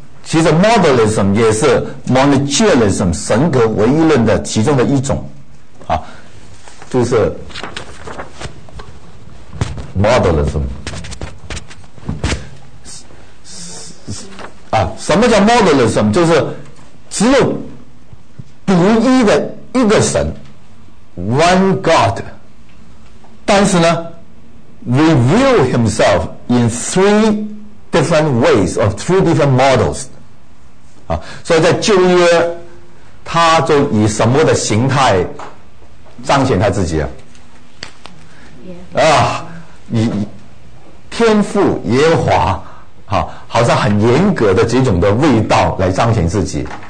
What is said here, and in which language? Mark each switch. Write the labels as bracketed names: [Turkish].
[Chinese] 其实 modalism 也是 monergism 神格唯一论的其中的一种，啊，就是 modalism。啊，什么叫 modalism？ 就是只有独一的一个神 ， [English] one God。 [Chinese] 但是呢 [English] ，reveal himself in three different ways of three different models。 [Chinese] 啊，所以在旧约，他就以什么的形态彰显他自己啊？ Yeah. 啊，以天父耶和华，啊，好像很严格的这种的味道来彰显自己。